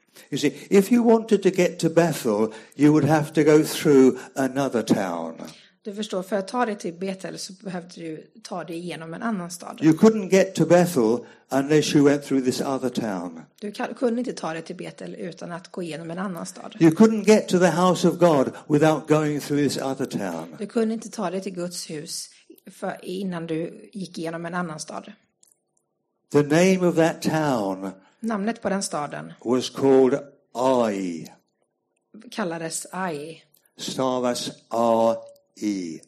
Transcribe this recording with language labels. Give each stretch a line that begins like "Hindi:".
English: You see, if you wanted to get to Bethel, you would have to go through another town.
Swedish: Du förstår, för att ta dig till Betel så behövde du ta dig igenom en annan stad.
English: You couldn't get to Bethel unless you went through this other town.
Swedish: Du kunde inte ta dig till Betel utan att gå igenom en annan stad.
English: You couldn't get to the house of God without going through this other town.
Swedish: Du kunde inte ta dig till Guds hus för innan du gick igenom en annan stad.
English: The name of that town.
Swedish: Namnet på den staden
English: was called Ai.
Swedish: Kallades Ai. Stavas A-I.